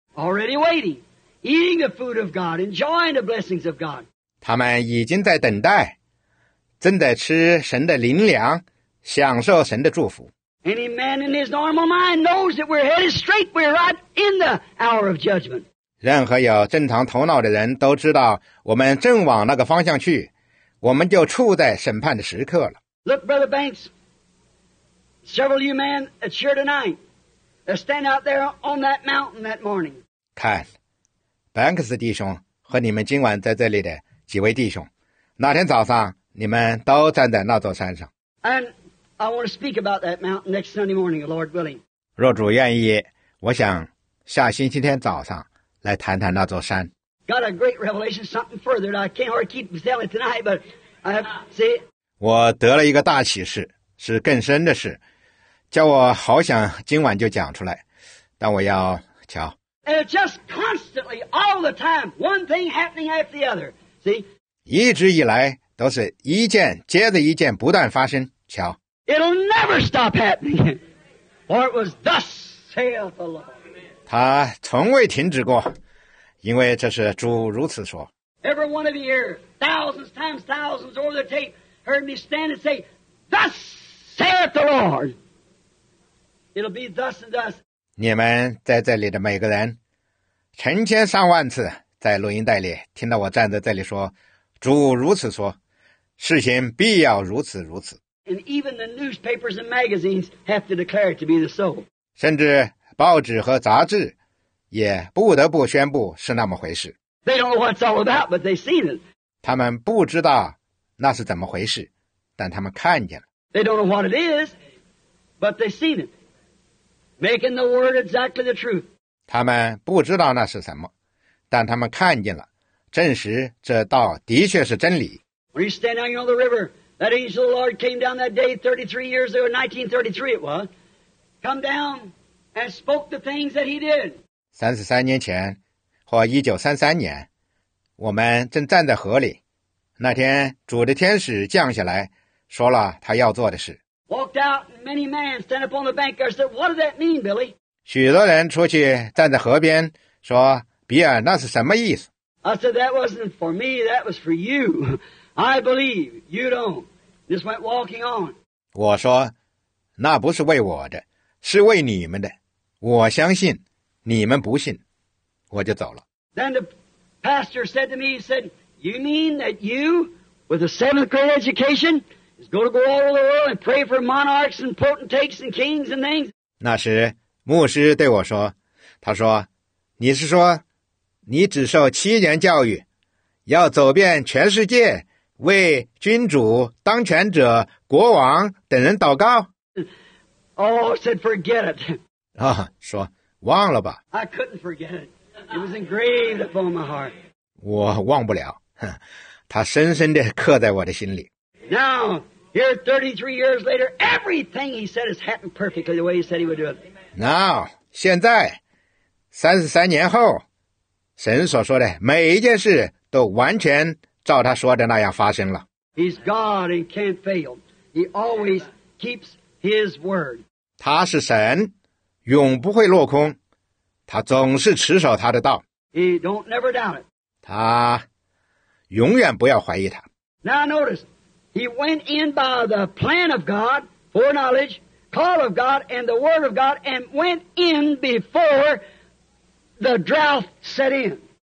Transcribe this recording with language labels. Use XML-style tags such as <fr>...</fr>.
<en>Already waiting, eating the food of God, enjoying the blessings of God.</en> <zh>他们已经在等待，正在吃神的灵粮，享受神的祝福。</zh> <en>Any man in his normal mind knows that we're headed straight, we're right in the hour of judgment.</en> <zh>任何有正常头脑的人都知道，我们正往那个方向去，我们就处在审判的时刻了。</zh> <en>Look, Brother Banks, several of you men that's here tonight. They stand out there on that mountain that morning.</en> <zh>看 ，Banks 弟兄和你们今晚在这里的几位弟兄，那天早上你们都站在那座山上。</zh> <en>And I want to speak about that mountain next Sunday morning, Lord willing.</en> <zh>若主愿意，我想下星期天早上来谈谈那座山。</zh> <en>Got a great revelation, something further. I can't hardly keep telling tonight, but I have to see it.</en> <zh>我得了一个大启示，是更深的事。叫我好想今晚就讲出来，但我要瞧。</zh> <en>It's just constantly, all the time, one thing happening after the other. See?</en> <zh>一直以来都是一件接着一件不断发生，瞧。</zh> <en>It'll never stop happening. For it was thus saith the Lord.</en> <zh>它从未停止过，因为这是主如此说。</zh> <en>Every one of you here, thousands times thousands over the tape, heard me stand and say, thus saith the Lord. It'll be thus and thus.</en> <zh>你们在这里的每个人，成千上万次在录音带里听到我站在这里说，主如此说，事情必要如此如此。</zh> <en>And even the newspapers and magazines have to declare it to be the so.</en> <zh>甚至报纸和杂志也不得不宣布是那么回事。</zh> <en>They don't know what it's all about, but they've seen it.</en> <zh>他们不知道那是怎么回事，但他们看见了。</zh> <en>They don't know what it is, but they've seen it. Making the word exactly the truth.</en> <zh>他们不知道那是什么，但他们看见了，证实这道的确是真理。</zh> <en>When you stand out here on the river, that angel of the Lord came down that day 33 years ago, 1933 it was, come down and spoke the things that he did.</en> <zh>33年前，或1933年，我们正站在河里，那天主的天使降下来，说了他要做的事。</zh> <en>Walked out, and many men stand up on the bank. I said, "What does that mean, Billy?"</en> <zh>许多人出去站在河边说，比尔，那是什么意思</zh> <en>？I said, "That wasn't for me. That was for you. I believe you don't." Just went walking on.</en> <zh>我说，那不是为我的，是为你们的。我相信，你们不信，我就走了。</zh> <en>Then the pastor said to me, "He said, you mean that you, with a seventh grade education?" Go to go all over the world and pray for monarchs and potentates and kings and things.</en> <zh>那时牧师对我说，他说，你是说你只受七年教育，要走遍全世界，为君主、当权者、国王等人祷告。</zh> <en>Oh, said forget it.</en> <zh>啊，说忘了吧。</zh> <en>I couldn't forget it. It was engraved upon my heart.</en> <zh>我忘不了，他深深地刻在我的心里。</zh> <en>Now, here 33 years later, everything he said has happened perfectly the way he said he would do it. Now,</en> <zh>现在33年后，神所说的每一件事都完全照他说的那样发生了。</zh> <en>He's God and can't fail. He always keeps his word.</en> <zh>他是神，永不会落空，他总是持守他的道。</zh> <en>He don't never doubt it.</en> <zh>他永远不要怀疑他。</zh> <en>Now notice, he went in by the plan of God, foreknowledge, call of God, and the word of God, and went in before the drought set in.</en>